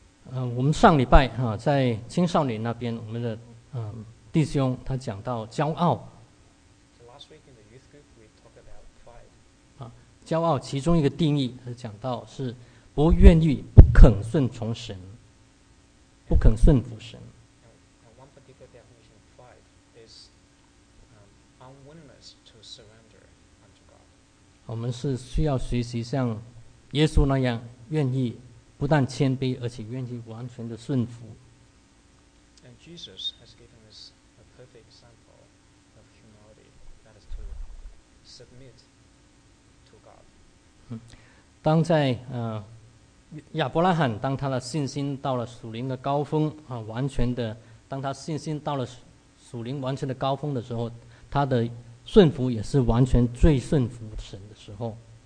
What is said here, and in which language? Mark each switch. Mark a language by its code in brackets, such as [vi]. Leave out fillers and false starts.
[zh] 我们上礼拜在青少年那边，我们的弟兄他讲到骄傲。 [en] So、last week in the youth group we talk about pride. [zh] 骄傲其中一个定义是讲到是不愿意、不肯顺从神，不肯顺服神。 [en] And one particular definition of pride is unwillingness to surrender unto God. [zh] 我们是需要学习像耶稣那样愿意。不但谦卑，而且愿意完全的顺服。 [en] And Jesus has given us a perfect example of humility, that is to submit to God. [zh] 当在亚伯拉罕，当他的信心到了属灵的高峰啊，完全的，当他信心到了属灵完全的高峰的时候，他的顺服也是完全最顺服神的时候。